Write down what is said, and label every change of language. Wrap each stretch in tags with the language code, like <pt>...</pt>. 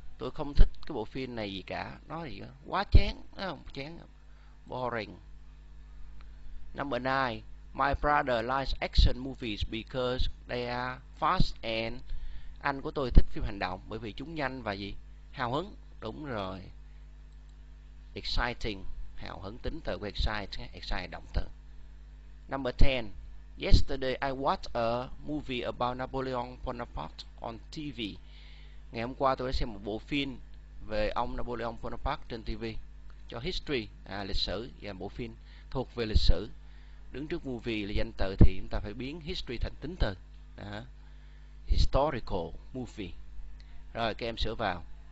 <vi>Tôi không thích cái bộ phim này gì cả. Nó gì đó? Quá chán, đúng không? Chán.</vi> <en>Boring. Number 9. My brother likes action movies because they are fast and</en> <vi>anh của tôi thích phim hành động bởi vì chúng nhanh và gì? Hào hứng. Đúng rồi. Exciting. Hào hứng tính từ của excite. Excite động từ.</vi> <en>Number 10. Yesterday I watched a movie about Napoleon Bonaparte on TV.</en> <vi>Ngày hôm qua tôi đã xem một bộ phim về ông Napoleon Bonaparte trên TV. Cho history, lịch sử và bộ phim thuộc về lịch sử. Đứng trước movie là danh từ thì chúng ta phải biến history thành tính từ. Đó.</vi> <en>Historical movie.</en> <vi>Rồi các em sửa vào.</vi>